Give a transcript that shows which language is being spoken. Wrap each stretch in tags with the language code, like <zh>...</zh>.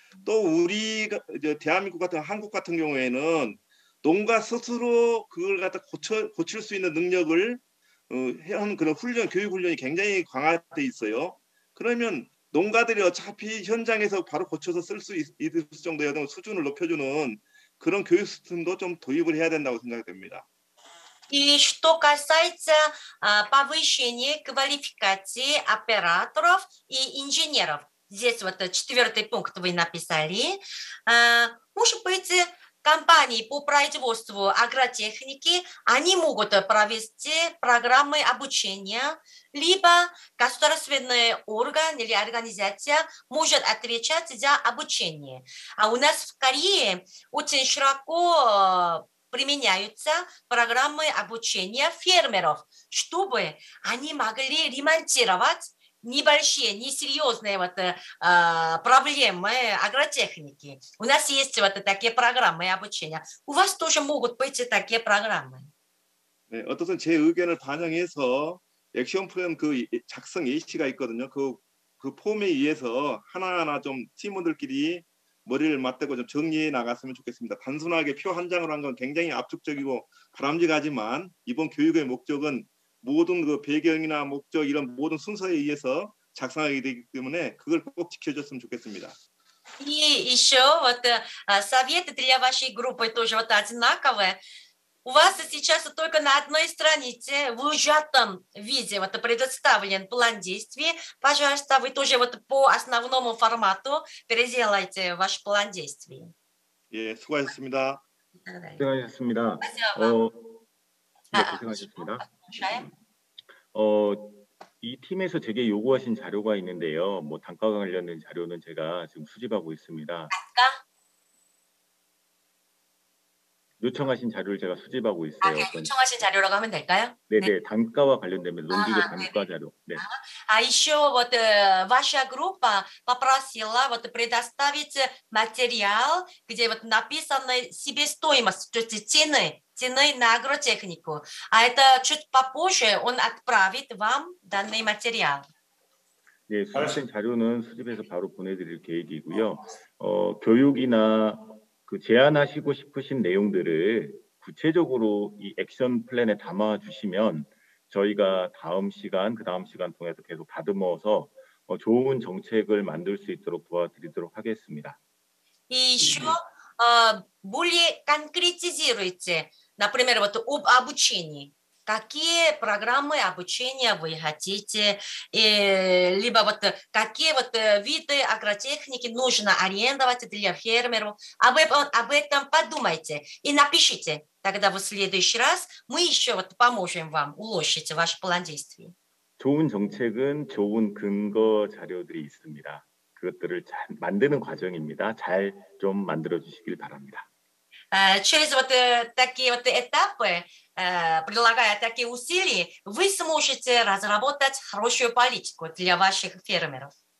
<ko>또 우리 이제 대한민국 같은 한국 같은 경우에는 농가 스스로 그걸 갖다 고칠 수 있는 능력을 해온 그런 훈련, 교육 훈련이 굉장히 강화돼 있어요. 그러면 농가들이 어차피 현장에서 바로 고쳐서 쓸 수 있을 정도의 수준을 높여주는 그런 교육 시스템도 좀 도입을 해야 된다고 생각됩니다.</ko> <ru>И что касается повышения квалификации операторов и инженеров, здесь вот четвертый пункт вы написали. Может быть, компании по производству агротехники, они могут провести программы обучения, либо государственный орган или организация может отвечать за обучение. А у нас в Корее очень широко применяются программы обучения фермеров, чтобы они могли ремонтировать небольшие, несерьезные вот, проблемы агротехники. У нас есть вот такие программы обучения. У вас тоже могут быть такие программы.</ru> <ko>네, 어떤 제 의견을 반영해서 액션 플랜 그 작성 예시가 있거든요. 그 폼에 의해서 하나하나 좀 팀원들끼리 머리를 맞대고 좀 정리해 나갔으면 좋겠습니다. 단순하게 표 한 장으로 한 건 굉장히 압축적이고 바람직하지만 이번 교육의 목적은 모든 그 배경이나 목적 이런 모든 순서에 의해서 작성하게 되기 때문에 그걸 꼭 지켜줬으면 좋겠습니다.</ko> <ru>И еще вот советы для вашей группы тоже вот одинаковые. У вас сейчас только на одной странице в сжатом виде вот предоставлен план действий. Пожалуйста, вы тоже вот по основному формату переделайте ваш план действий.</ru> <ko>예, 수고하셨습니다. 수고하셨습니다. 고생하셨습니다. 이 팀에서 제게 요구하신 자료가 있는데요. 뭐 단가 관련된 자료는 제가 지금 수집하고 있습니다. 요청하신 자료를 제가 수집하고 있어요. 아, 네. 요청하신 자료라고 하면 될까요? 네네, 네. 단가와 관련된 농기계 단가 자료. 네.</ko> <ru>아, еще вот ваша группа попросила вот предоставить материал, где вот написано себестоимость, то есть цены на агротехнику. А это чуть попозже он отправит вам данный материал.</ru> <ko>네, 수집된 자료는 수집해서 바로 보내드릴 계획이고요. 교육이나 그 제안하시고 싶으신 내용들을 구체적으로 이 액션 플랜에 담아 주시면 저희가 다음 시간, 그 다음 시간 통해서 계속 다듬어서 좋은 정책을 만들 수 있도록 도와드리도록 하겠습니다.</ko> <ru>이 슈어 более конкретизируйте, например, вот об обучении. Какие программы обучения вы хотите, либо вот какие вот виды агротехники нужно арендовать для фермеров. Об этом подумайте и напишите. Тогда в следующий раз мы еще вот поможем вам улучшить ваш план действий.</ru> <ko>좋은 정책은 좋은 근거 자료들이 있습니다. 그것들을 잘 만드는 과정입니다. 잘 좀 만들어 주시길 바랍니다.</ko> <ru>Через вот такие вот этапы, прилагая такие усилия, вы сможете разработать хорошую политику для ваших фермеров.</ru>